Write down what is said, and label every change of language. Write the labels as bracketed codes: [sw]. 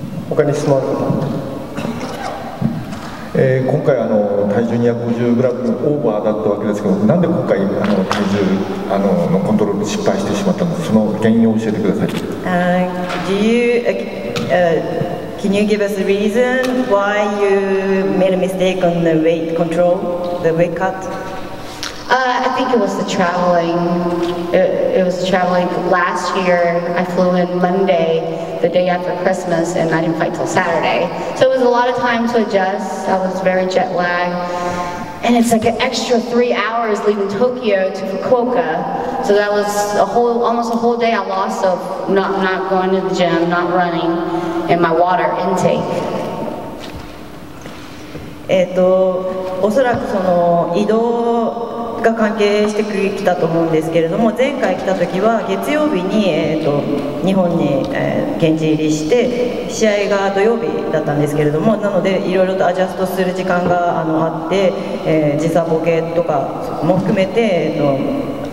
[ja] 他に質問あるか。今回体重 250g オーバーだったわけですけど、なんで今回体重のコントロール失敗してしまったのか、その原因を教えてください。 [en] Can you give us a reason why you made a mistake on the weight control, the weight cut? I think it was the traveling. It was traveling. Last year, I flew in Monday, the day after Christmas, and I didn't fight till Saturday. So it was a lot of time to adjust. I was very jet lagged. And it's like an extra 3 hours leaving Tokyo to Fukuoka. So that was almost a whole day I lost of not going to the gym, not running, and my water intake. [ja] おそらくその移動が関係してきたと思うんですけれども、前回来た時は月曜日に日本に現地入りして、試合が土曜日だったんですけれども、なのでいろいろとアジャストする時間があって時差ボケとかも含めて